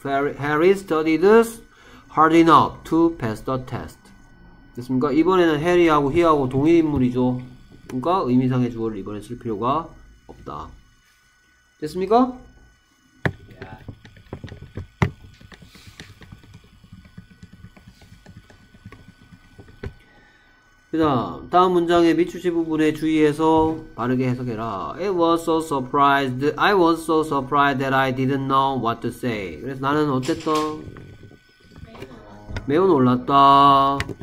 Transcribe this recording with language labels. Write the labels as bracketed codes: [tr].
[en] Harry studied hard enough to pass the test. [ko] 됐습니까? 이번에는 해리하고 히하고 동일인물이죠. 그러니까 의미상의 주어를 이번에 쓸 필요가 없다. 됐습니까? 자, 다음 문장의 미추시 부분에 주의해서 바르게 해석해라. [en] It was so surprised. I was so surprised that I didn't know what to say. [ko] 그래서 나는 어쨌든 매우 놀랐다.